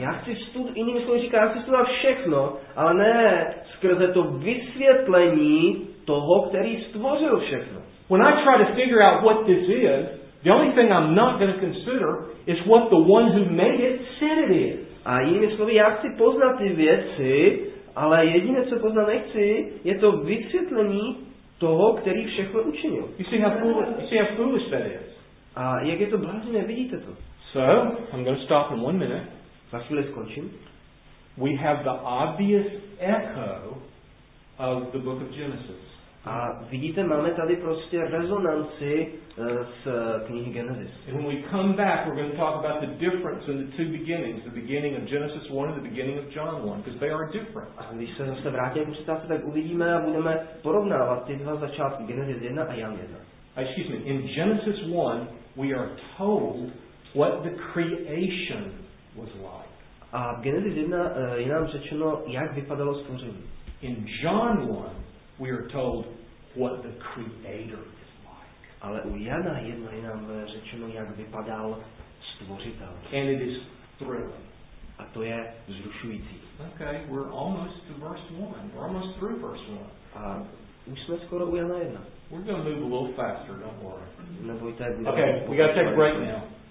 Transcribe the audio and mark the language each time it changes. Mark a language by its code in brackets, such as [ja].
[cs] Já chci jinými slovy říká, já chci studovat všechno, ale ne skrze to vysvětlení toho, který stvořil všechno. [en] When I try to figure out what this is, the only thing I'm not going to consider is what the one who made it said it is. [cs] A jinými slovy, já chci poznat ty věci, ale jediné, co poznat nechci, je to vysvětlení toho, který všechno učinil. [en] You see how foolish that is. [cs] A jak je to blázně, vidíte to. [en] So, I'm going to stop in 1 minute. [cs] Za chvíli skončím. [en] We have the obvious echo of the book of Genesis. [cs] A vidíte, máme tady prostě rezonanci z knihy Genesis. [en] And when we come back, we're going to talk about the difference in the two beginnings, the beginning of Genesis 1 and the beginning of John 1, because they are different. [cs] A když se zase vrátíme, tak uvidíme a budeme porovnávat ty dva začátky, Genesis 1 a Jan 1. [en] Excuse me, in Genesis 1, we are told what the creation was like. [cs] A v Genesis 1 je nám řečeno, jak vypadalo stvoření. [en] In John 1, we are told what the creator is like. [cs] Ale u Jana 1 je nám řečeno, jak vypadal stvoření. stvořitel. [en] And it is thrilling. [cs] A to je vzrušující. [en] Okay, we're almost to verse 1. We're almost through verse 1. [cs] A už jsme skoro u Jana 1. [en] We're going to move a little faster, don't worry. [cs] Nebojte, [en] okay, we got to take a break now.